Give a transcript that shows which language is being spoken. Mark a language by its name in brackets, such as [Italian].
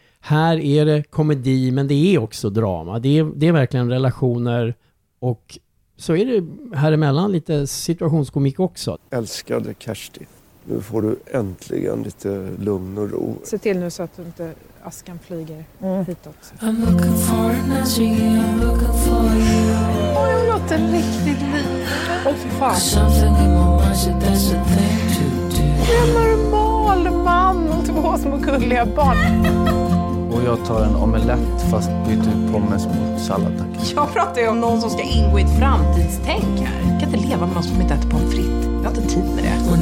[Swedish] Här är det komedi, men det är också drama. Det är verkligen relationer, och så är det här emellan lite situationskomik också. Älskade Kersti, nu får du äntligen lite lugn och ro. Se till nu så att du inte askan flyger hitåt. [English] I'm looking for an answer, I'm looking for you. Oh, [Swedish] jag låter riktigt liv. [English] Oh, [Swedish] för fan. [English] Something in my mind said that's a thing to do. [Swedish] En normal man och två små gulliga barn. Och jag tar en omelett fast byter ut pommes mot sallad. Jag pratar ju om någon som ska ingå i ett framtidstänk här. Jag kan inte leva med någon som inte äter pommes fritt. Jag har inte tid med det.